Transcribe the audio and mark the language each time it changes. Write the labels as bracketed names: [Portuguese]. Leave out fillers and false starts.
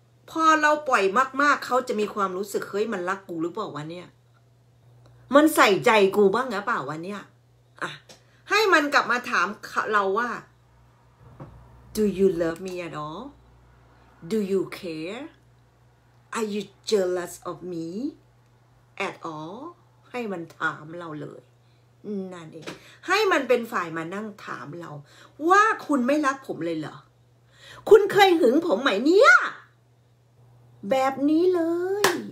[Thai] พอเราปล่อยมากๆเขาจะมีความรู้สึกเฮ้ยมันรักกูหรือเปล่าวะเนี่ยมันใส่ใจกูบ้างหรือเปล่าวะเนี่ยอะให้มันกลับมาถามเราว่า [English] Do you love me at all? Do you careAre you jealous of me at all? [Thai] ให้มันถามเราเลยนั่นเองให้มันเป็นฝ่ายมานั่งถามเราว่าคุณไม่รักผมเลยเหรอคุณเคยหึงผมไหมเนี่ยแบบนี้เลย